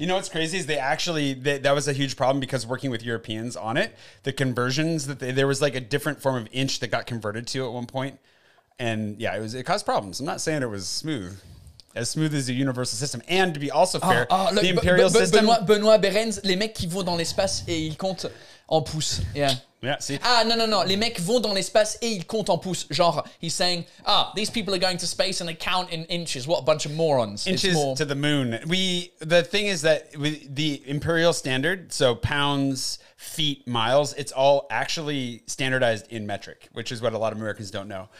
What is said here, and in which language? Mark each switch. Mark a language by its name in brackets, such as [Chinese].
[English] You know what's crazy is they actually, that was a huge problem because working with Europeans on it, the conversions, that there was like a different form of inch that got converted to at one point. And yeah, it caused problems. I'm not saying it was smooth. As smooth as a universal system. And to be also fair, the imperial system. [French] Benoît Berens, les mecs qui vont dans l'espace et ils comptent en pouces. [English] Yeah. Yeah, see. Ah, no. [French] Les mecs vont dans l'espace et ils comptent en pouces. [English] Genre, he's saying, these people are going to space and they count in inches. What a bunch of morons. Inches it's more... to the moon. The thing is that the imperial standard, so pounds, feet, miles, it's all actually standardized in metric, which is what a lot of Americans don't know.